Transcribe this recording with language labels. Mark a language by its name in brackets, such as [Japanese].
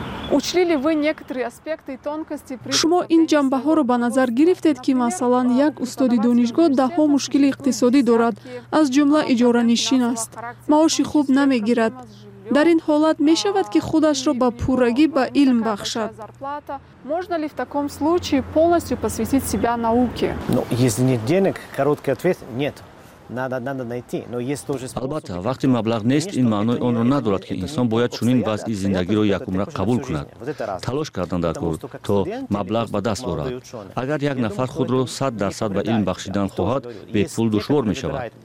[Russian] Учли ли вы некоторые аспекты и тонкости при [Tajik] Шумо ин ҷанбаҳоро ба назар гирифтед ки масалан як устоди донишгоҳ даҳо мушкили иқтисодӣ дорад, аз ҷумла иҷоранишин аст. Маоши хуб намегирад. Дар ин ҳолат мешавад ки худашро ба пурагӣ ба илм бахшад. [Russian] Можна ли в таком случае полностью посвятить себя науке? Ну, если нет денег, короткий ответ нет. [Tajik] Албатта, вақти маблағ нест, ин маънои онро надорад ки инсон бояд чунин вазъи зиндагиро якумра қабул кунад. Талош кардан дар кор, то маблағ ба даст орад. Агар як нафар худро 100% ба илм бахшидан хоҳад, бепул душвор мешавад.